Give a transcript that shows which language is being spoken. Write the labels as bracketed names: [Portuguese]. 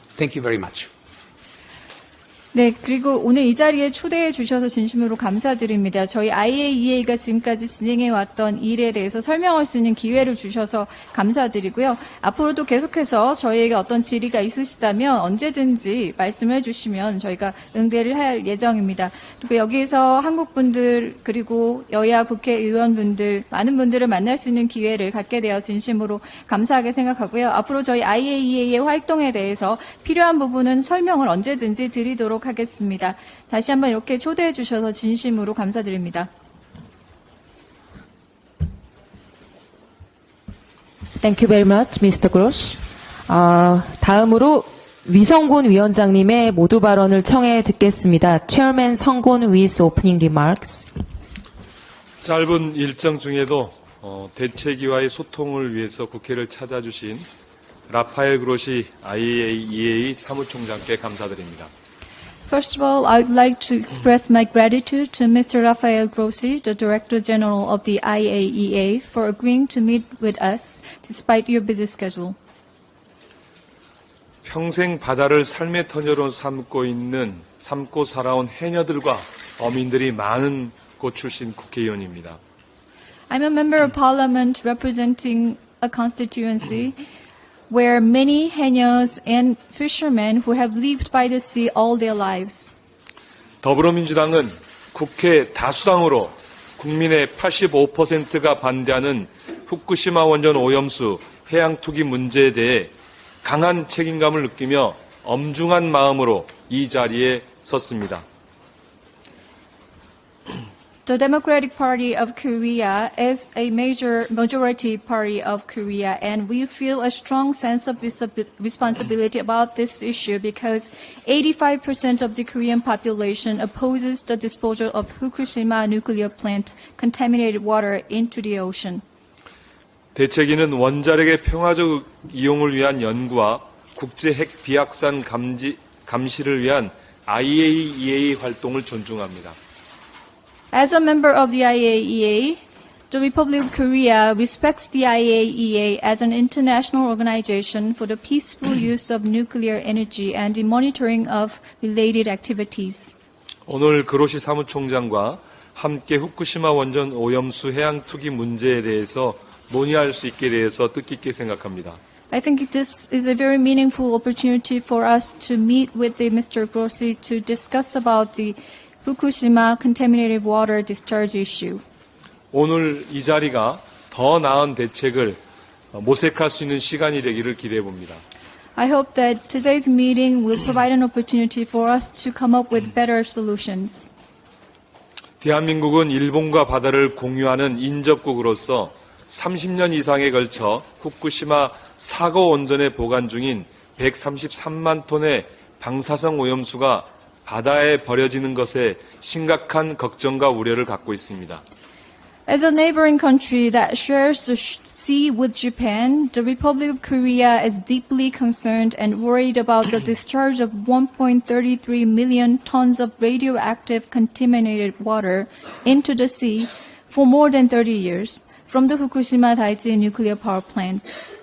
[English] Thank you very much. [Korean] 네, 그리고 오늘 이 자리에 초대해 주셔서 진심으로 감사드립니다. 저희 IAEA가 지금까지 진행해왔던 일에 대해서 설명할 수 있는 기회를 주셔서 감사드리고요. 앞으로도 계속해서 저희에게 어떤 질의가 있으시다면 언제든지 말씀해 주시면 저희가 응대를 할 예정입니다. 그리고 여기에서 한국분들 그리고 여야 국회의원분들 많은 분들을 만날 수 있는 기회를 갖게 되어 진심으로 감사하게 생각하고요. 앞으로 저희 IAEA의 활동에 대해서 필요한 부분은 설명을 언제든지 드리도록 하겠습니다. 다시 한번 이렇게 초대해 주셔서 진심으로 감사드립니다. [English] Thank you very much, Mr. Gross. [Korean] 다음으로 위성곤 위원장님의 모두 발언을 청해 듣겠습니다. [English] Chairman 성곤 with opening remarks. [Korean] 짧은 일정 중에도 대책위와의 소통을 위해서 국회를 찾아주신 라파엘 그로시 IAEA 사무총장께 감사드립니다. [English] First of all, I would like to express my gratitude to Mr. Rafael Grossi, the Director General of the IAEA, for agreeing to meet with us despite your busy schedule. [Korean] 평생 바다를 삶의 터널로 삼고 있는 삼고 살아온 해녀들과 어민들이 많은 곳 출신 국회의원입니다. [English] I'm a member of Parliament representing a constituency where many henyos and fishermen who have lived by the sea all their lives. [Korean] 더불어민주당은 국회 다수당으로 국민의 85%가 반대하는 후쿠시마 원전 오염수 해양 투기 문제에 대해 강한 책임감을 느끼며 엄중한 마음으로 이 자리에 섰습니다. [English] The Democratic Party of Korea is a major majority party of Korea, and we feel a strong sense of responsibility about this issue because 85% of the Korean population opposes the disposal of Fukushima nuclear plant contaminated water into the ocean. [Korean] 대책위는 원자력의 평화적 이용을 위한 연구와 국제 핵 비확산 감시를 위한 IAEA 활동을 존중합니다. [English] As a member of the IAEA, the Republic of Korea respects the IAEA as an international organization for the peaceful use of nuclear energy and the monitoring of related activities. [Korean] 오늘 그로시 사무총장과 함께 후쿠시마 원전 오염수 해양 투기 문제에 대해서 논의할 수 있게 돼서 뜻깊게 생각합니다. [English] I think this is a very meaningful opportunity for us to meet with the Mr. Grossi to discuss about the Fukushima contaminated water discharge issue. [Korean] 오늘 이 자리가 더 나은 대책을 모색할 수 있는 시간이 되기를 기대해 봅니다. [English] I hope that today's meeting will provide an opportunity for us to come up with better solutions. [Korean] 대한민국은 일본과 바다를 공유하는 인접국으로서 30년 이상에 걸쳐 후쿠시마 사고 원전에 보관 중인 133만 톤의 방사성 오염수가 바다에 버려지는 것에 심각한 걱정과 우려를 갖고 있습니다. [English] As a neighboring country that shares the sea with Japan, the Republic of Korea is deeply concerned and worried about the discharge of 1.33 million tons of radioactive contaminated water into the sea for more than 30 years from the Fukushima Daiichi nuclear power plant.